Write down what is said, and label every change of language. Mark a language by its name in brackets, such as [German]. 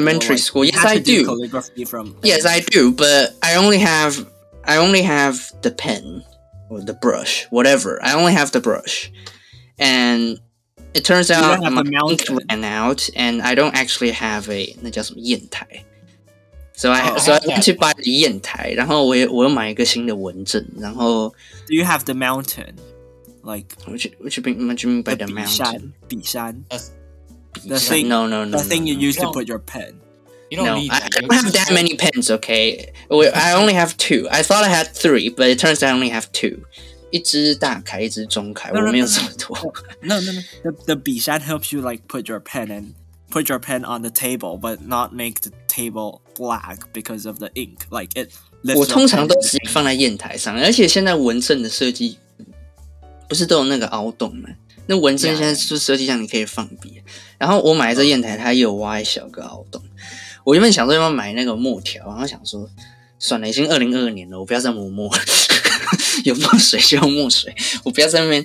[English] Elementary school, like, yes, I do. Calligraphy from yes, I do, but I only have the pen or the brush, whatever. I only have the brush, and it turns out my ink ran out, and I don't actually have a [Chinese] 那叫什么砚台. [English] So I went to buy the [Chinese] 砚台，然后我又买一个新的文鎮，然后 [English] Do you have the mountain? Like what do you mean by the mountain? [Chinese] 笔山 [English] The thing, no. The thing you use to put your pen. I don't have that many pens, okay? I only have 2. I thought I had 3, but it turns out I only have 2. [Chinese] 一支大楷，一支中楷，我没有这么多。 [English] The 笔山 helps you like put your pen in. Put your pen on the table, but not make the table black because of the ink. Like it. [Chinese] 我通常都直接放在砚台上，而且现在文鎮的设计不是都有那个凹洞吗？那纹身现在是设计上你可以放笔， yeah. 然后我买的这砚台它有挖一小个凹洞。我原本想说要买那个木条，然后想说算了，已经2022年了，我不要再磨墨，有墨水就用墨水，我不要在那边。